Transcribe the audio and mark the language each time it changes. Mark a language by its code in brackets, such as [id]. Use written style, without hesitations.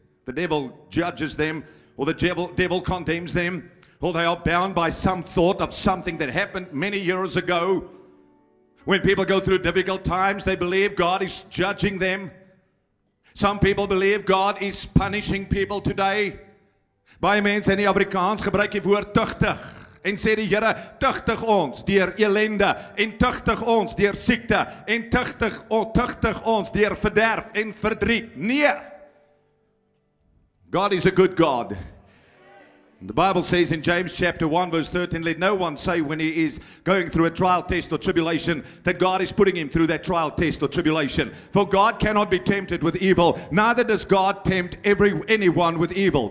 [en] The devil judges them, or the devil condemns them, or they are bound by some thought of something that happened many years ago. When people go through difficult times, they believe God is judging them. Some people believe God is punishing people today. [af] Baie mense in die Afrikaans gebruik die woord tuchtig en sê die Here tuchtig ons deur elende en tuchtig ons deur siekte en tuchtig ons deur verderf en verdriet. [en] Nee. God is a good God. The Bible says in James chapter 1 verse 13, let no one say when he is going through a trial, test, or tribulation that God is putting him through that trial, test, or tribulation. For God cannot be tempted with evil, neither does God tempt anyone with evil.